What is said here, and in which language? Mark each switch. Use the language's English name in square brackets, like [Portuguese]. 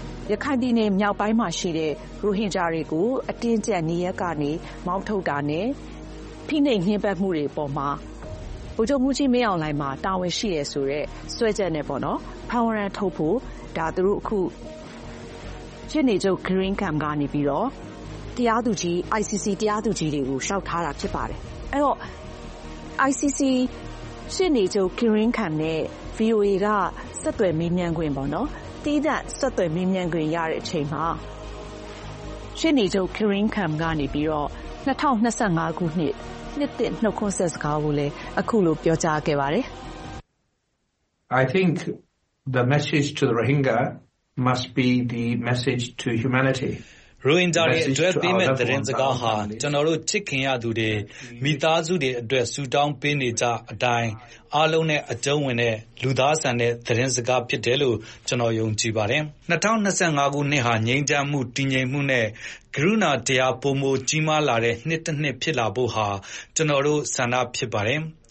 [Burmese] ရခိုင်ပြည်နယ်မြောက်ပိုင်းမှာရှိတဲ့ရိုဟင်ဂျာတွေကိုအတင်းကျပ်နေရက်ကနေမောင်းထုတ်တာနဲ့ဖိနှိပ်နှိမ့်ပတ်မှုတွေပေါ်မှာဘုဇုံမှုကြီးမင်းအောင်လှိုင်မှာတာဝန်ရှိရဆိုတော့ဆွဲချက်နဲ့ပေါ့နော်ဖန်ဝရန်ထုတ်ဖို့ဒါသူတို့အခုရှင်းနေချုပ် Green Camp ကနေပြီးတော့တရားသူကြီး ICC တရားသူကြီးတွေကိုရှောက်ထားတာဖြစ်ပါတယ်အဲ့တော့ ICC ရှင်းနေချုပ် Green Camp နဲ့ VOA ကဆက်သွယ်မေးမြန်းခွင့်ပေါ့နော် တီးတန့်ဆက်သွယ်မေးမြန်းခွင့်ရတဲ့အချိန်မှာရှင်းနေချုပ်ခရင်ခမ်ကနေပြီးတော့2025ခုနှစ်နှစ်တင်နှုတ်ခွန်းဆက်စကားကိုလည်းအခုလိုပြောကြားခဲ့ပါတယ် [English] I think the message to the Rohingya must be the message to humanity. [Burmese] ရိုဟင်ဂျာတွေအတွက်ပေးမဲ့သတင်းစကားဟာကျွန်တော်တို့ချစ်ခင်ရသူတွေမိသားစုတွေအတွက်စူတောင်းပေးနေကြအတိုင်းအားလုံးနဲ့အကျုံးဝင်တဲ့လူသားဆန်တဲ့သတင်းစကားဖြစ်တယ်လို့ကျွန်တော်ယုံကြည်ပါတယ်2025ခုနှစ်ဟာငြိမ်းချမ်းမှုတည်ငြိမ်မှုနဲ့ကရုဏာတရားပုံမှုကြီးမားလာတဲ့နှစ်တစ်နှစ်ဖြစ်လာဖို့ဟာကျွန်တော်တို့ဆန္ဒဖြစ်ပါတယ်